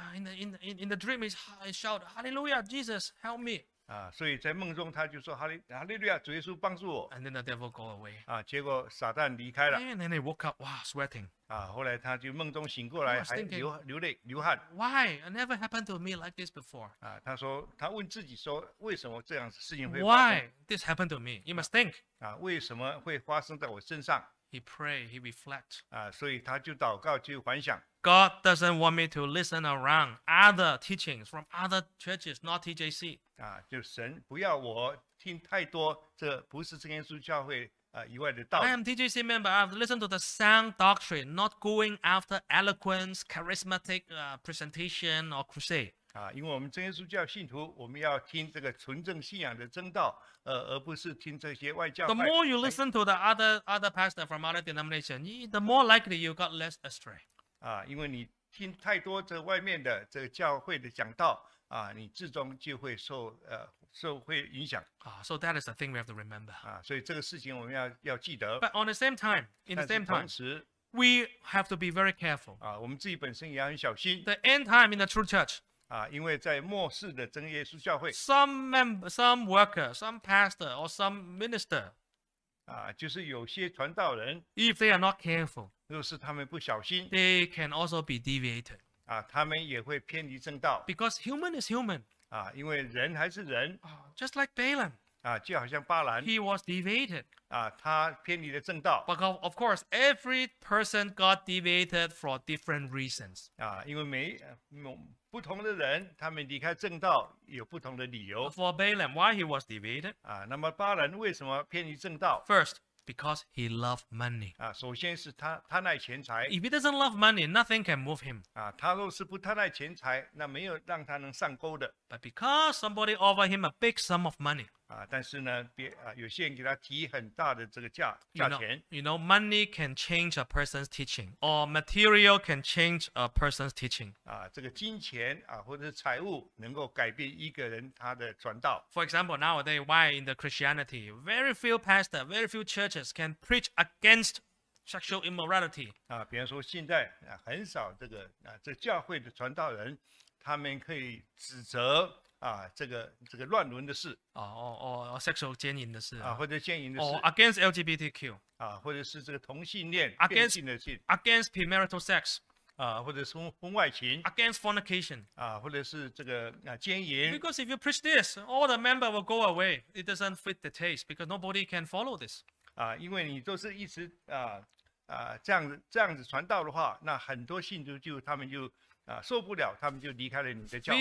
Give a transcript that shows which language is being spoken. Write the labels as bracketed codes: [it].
[en] In the dream, he shouted, "Hallelujah, Jesus, help me." [zh] 啊，所以在梦中他就说哈利路亚，主耶稣帮助我。 [en] And then the devil go away. [zh] 啊，结果撒旦离开了。 [en] And then he woke up, wow, sweating. [zh] 啊，后来他就梦中醒过来， [en] thinking, [zh] 还流泪流汗。 [en] Why? It never happened to me like this before. [zh] 啊，他说他问自己说，为什么这样事情会 [en] 发生 ？Why this happened to me? You must think. [zh] 啊，为什么会发生在我身上？ [en] He pray, he reflect. [zh] 啊，所以他就祷告，就幻想。 [en] God doesn't want me to listen around other teachings from other churches, not TJC. [zh] 啊，就神不要我听太多这不是真耶稣教会以外的道理。 [en] I am TJC member. I've listened to the sound doctrine, not going after eloquence, charismatic presentation or crusade. [zh] 啊，因为我们真耶稣教信徒，我们要听这个纯正信仰的真道。而不是听这些外教派。 [en] The more you listen to the other pastor from other denomination, the more likely you got less astray. [zh] 啊，因为你听太多这外面的这个教会的讲道啊，你最终就会受影响。 [en] So that is the thing we have to remember. [zh] 啊，所以这个事情我们要记得。 [en] But on the same time, in the same time, [zh] 但是同时 [en] we have to be very careful. [zh] 啊，我们自己本身也要很小心。 [en] The end time in the true church. [zh] 啊，因为在末世的真耶稣教会 [en] ，some worker, some pastor, or some minister， [zh] 啊，就是有些传道人 [en] ，if they are not careful， [zh] 若是他们不小心 [en] ，they can also be deviated， [zh] 啊，他们也会偏离正道 [en] ，because human is human， [zh] 啊，因为人还是人 [en] ，just like Balaam， [zh] 啊，就好像巴兰 [en] ，he was deviated， [zh] 啊，他偏离了正道 [en] ，but of course every person got deviated for different reasons， [zh] 啊，因为不同的人，他们离开正道有不同的理由。 [en] For Balaam, why he was deviated? [zh] 啊，那么巴兰为什么偏离正道 [en] ？First, because he loved money. [zh] 啊，首先是他贪爱钱财。 [en] If he doesn't love money, nothing can move him. [zh] 啊，他若是不贪爱钱财，那没有让他能上钩的。 [en] But because somebody offered him a big sum of money. [zh] 啊，但是呢，有些人给他提很大的这个价钱。 [en] You know, money can change a person's teaching, or material can change a person's teaching. [zh] 啊，这个金钱啊，或者是财物，能够改变一个人他的传道。 [en] For example, nowadays, why in the Christianity, very few pastors, very few churches can preach against sexual immorality. [zh] 啊，比方说现在啊，很少这个啊，这教会的传道人，他们可以指责。啊，这个乱伦的事啊，哦 ，sexual 奸淫的事啊，或者奸淫的事 [en] ，against LGBTQ [zh] 啊，或者是这个同性恋 [en] ，against [zh] 变性的性 [en] ，against premarital sex [zh] 啊，或者是婚外情 [en] ，against fornication [zh] 啊，或者是这个奸淫。 [en] Because if you preach this, all the member will go away. It doesn't fit the taste because nobody can follow this. [zh] 啊，因为你都是一直这样子传道的话，那很多信徒就他们就。受不了，他们就离开了你的教会。